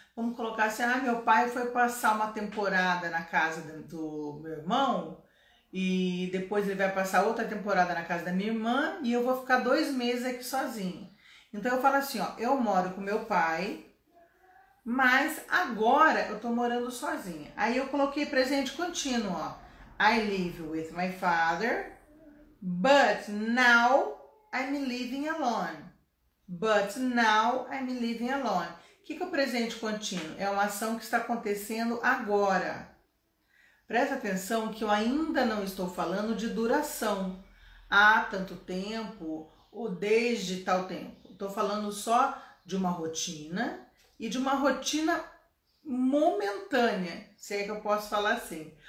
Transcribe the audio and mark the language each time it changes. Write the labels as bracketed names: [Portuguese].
[Portuguese] Vamos colocar assim, ah, meu pai foi passar uma temporada na casa do meu irmão. E depois ele vai passar outra temporada na casa da minha irmã e eu vou ficar 2 meses aqui sozinha. Então eu falo assim, ó, eu moro com meu pai, mas agora eu tô morando sozinha. Aí eu coloquei presente contínuo, ó. [English] I live with my father, but now I'm living alone. But now I'm living alone. [Portuguese] Que é o presente contínuo? É uma ação que está acontecendo agora. Presta atenção que eu ainda não estou falando de duração. Há tanto tempo ou desde tal tempo. Estou falando só de uma rotina e de uma rotina momentânea, se é que eu posso falar assim.